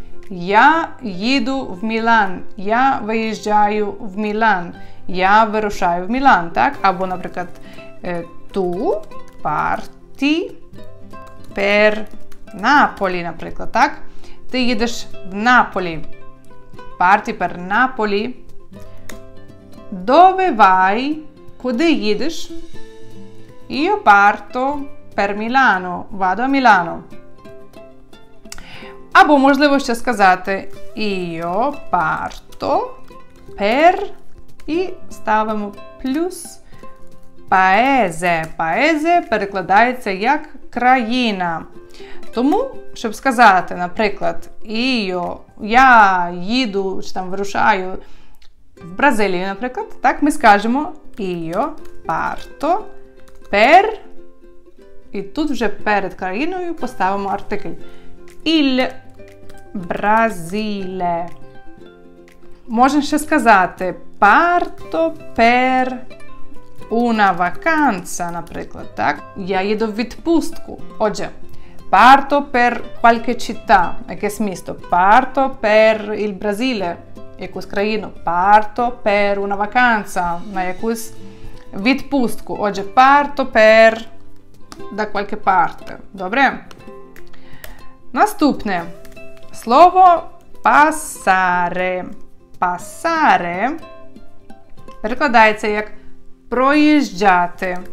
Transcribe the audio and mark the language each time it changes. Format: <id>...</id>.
<uk>Я їду в Мілан, я виїжджаю в Мілан, я вирушаю в Мілан, так? Або, наприклад,</uk> <it>ту парті пер Наполі,</it> <uk>наприклад, так? Ти їдеш в Наполі,</uk> <it>парті пер Наполі. Дове вай,</it> <uk>куди їдеш?</uk> <it>Io parto per Milano, vado a Milano.</it> <uk>Або можливо ще сказати</uk> <it>io parto per</it> <uk>і ставимо плюс paese. Paese перекладається як країна. Тому, щоб сказати, наприклад, я їду чи там вирушаю в Бразилію, наприклад, так ми скажемо</uk> <it>io parto per,</it> <uk>і тут вже перед країною поставимо артикль.</uk> <it>Il Brasile.</it> <uk>Можна ще сказати</uk> <it>parto per una vacanza,</it> <uk>наприклад, так? Я їду в відпустку.</uk> <it>Отже, parto per qualche città,</it> <uk>якесь місто.</uk> <it>Parto per il Brasile,</it> <uk>якусь країну.</uk> <it>Parto per una vacanza,</it> <uk>на якусь відпустку. Отже,</uk> <it>parto per da qualche parte.</it> <uk>Добре? Наступне. Слово passare. Passare перекладається як проїжджати.</uk>